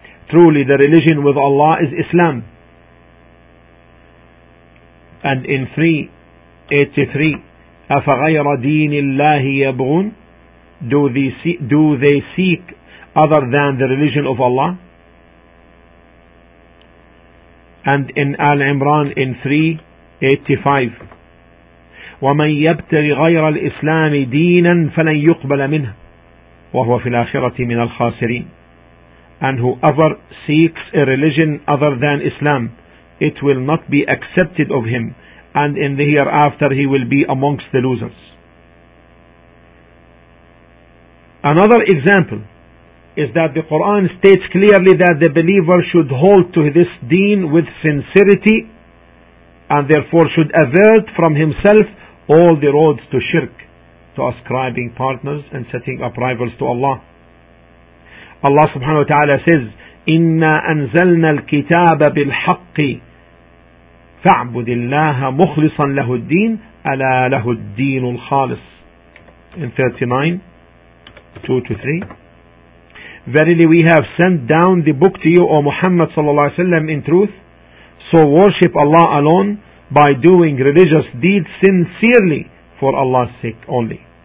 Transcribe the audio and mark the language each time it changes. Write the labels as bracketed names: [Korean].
[English] Truly the religion with Allah is Islam. And in 3:83, [Arabic] أَفَغَيْرَ دِينِ اللَّهِ يَبْغُونَ, [English] do they seek other than the religion of Allah? And in Al-Imran in 3:85, [Arabic] وَمَنْ يَبْتَغِ غَيْرَ الْإِسْلَامِ دِينًا فَلَنْ يُقْبَلَ مِنْهُ وَهُوَ فِي الْآخِرَةِ مِنَ الْخَاسِرِينَ. [English] And whoever seeks a religion other than Islam, it will not be accepted of him, and in the hereafter he will be amongst the losers. Another example is that the Quran states clearly that the believer should hold to this deen with sincerity, and therefore should avert from himself all the roads to shirk, to ascribing partners and setting up rivals to Allah. Allah subhanahu wa ta'ala says, [Arabic] إِنَّا أَنزَلْنَا الْكِتَابَ بِالْحَقِّ فَاعْبُدِ اللَّهَ مُخْلِصًا لَهُ الدِّينَ أَلَا لَهُ الدِّينُ الْخَالِصِ. [English] In 39:2-3, verily we have sent down the book to you, O Muhammad sallallahu alaihi wasallam, in truth, so worship Allah alone by doing religious deeds sincerely for Allah's sake only.